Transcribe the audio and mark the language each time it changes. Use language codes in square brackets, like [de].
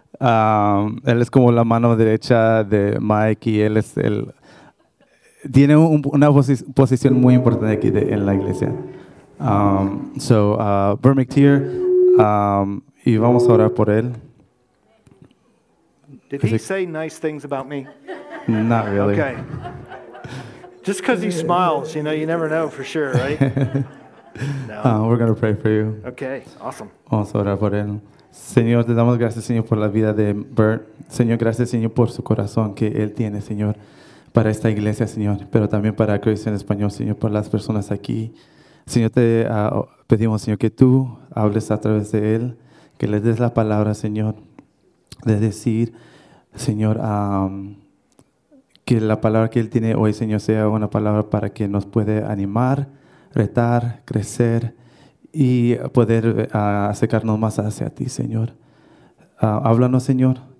[es] Él es como la mano derecha de Mike y él es el, tiene una posición muy importante aquí en la iglesia. Bert McTeer, y vamos a orar por él. [en] Did he say nice things about me? Not really. Okay. Just because he smiles, you know, you never know for sure, right? No. We're going to pray for you. Okay, awesome. [es] Vamos a orar por él. Señor, te damos gracias, Señor, por la vida de Bert. Señor, gracias, Señor, por su corazón que él tiene, Señor, para esta iglesia, Señor, pero también para Cristo en Español, Señor, por las personas aquí. Señor, te pedimos, Señor, que tú hables a través de él, que le des la palabra, Señor, de decir, Señor, que la palabra que él tiene hoy, Señor, sea una palabra para que nos puede animar, retar, crecer y poder acercarnos más hacia ti, Señor. Háblanos, Señor.